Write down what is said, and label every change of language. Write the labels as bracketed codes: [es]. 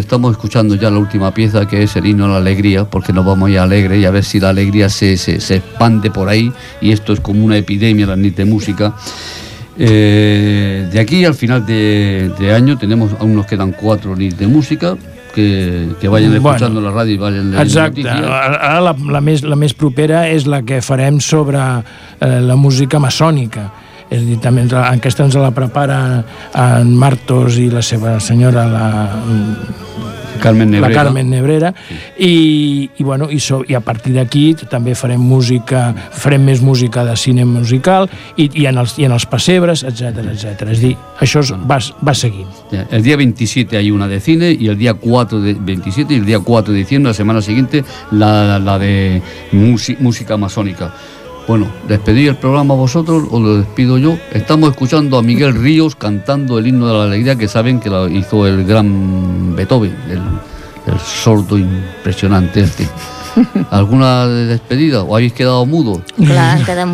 [es] Estamos escuchando ya la última pieza, que es el himno a la alegría, porque nos vamos a ir alegres, y a ver si la alegría se expande por ahí, y esto es como una epidemia, la Nit de Música. De aquí al final de año, aún nos quedan 4 Nits de Música, que vayan escuchando, bueno, la radio y vayan leyendo noticias. [ca] Exacte. Ara la més propera és la que farem sobre la música maçònica. És dir, també aquesta ens la prepara en Martos i la seva senyora, la Carmen Nebrera. La Carmen Nebrera. Sí. I a partir d'aquí també farem música, farem més música de cinema musical i en els pessebres, etc, etc. És dir, això és, va seguint. El dia 27 hi ha una de cine i el dia 4 de 27 i el dia 4 de diciembre, la setmana següent, la de música amazònica. [es] Bueno, despedí el programa a vosotros, os lo despido yo. Estamos escuchando a Miguel Ríos cantando el himno de la alegría, que saben que lo hizo el gran Beethoven, el sordo impresionante este. ¿Alguna despedida? ¿O habéis quedado mudos? Claro, quedan